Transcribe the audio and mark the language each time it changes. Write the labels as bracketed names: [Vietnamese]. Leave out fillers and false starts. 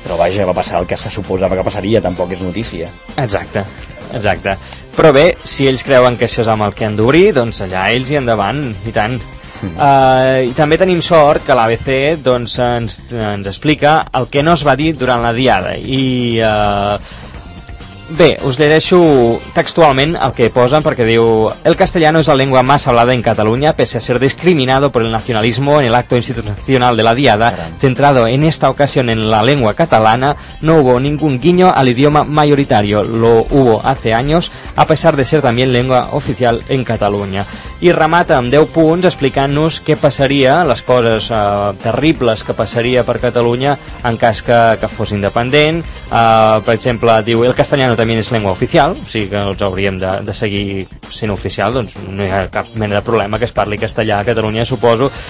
[Catalan] Però vaja, va passar el que se suposava que passaria, tampoc és notícia. Exacte, exacte. Però bé, si ells creuen que això és amb el que han d'obrir, doncs allà ells hi endavant, i tant. I també tenim sort que l'ABC, doncs, ens explica el que no es va dir durant la diada, i Bé, us llegeixo textualment el que posen, perquè diu: [Spanish] el castellano es la lengua más hablada en Cataluña, pese a ser discriminado por el nacionalismo en el acto institucional de la Diada. Caram. Centrado en esta ocasión en la lengua catalana, no hubo ningún guiño al idioma mayoritario. Lo hubo hace años, a pesar de ser también lengua oficial en Cataluña. [Catalan] I remata amb 10 punts explicant-nos què passaria, les coses terribles que passaria per Catalunya en cas que fos independent. Per exemple, diu: el castellano també és llengua oficial, o sigui que els hauríem de seguir sent oficial, doncs no hi ha cap mena de problema que es parli castellà a Catalunya, suposo.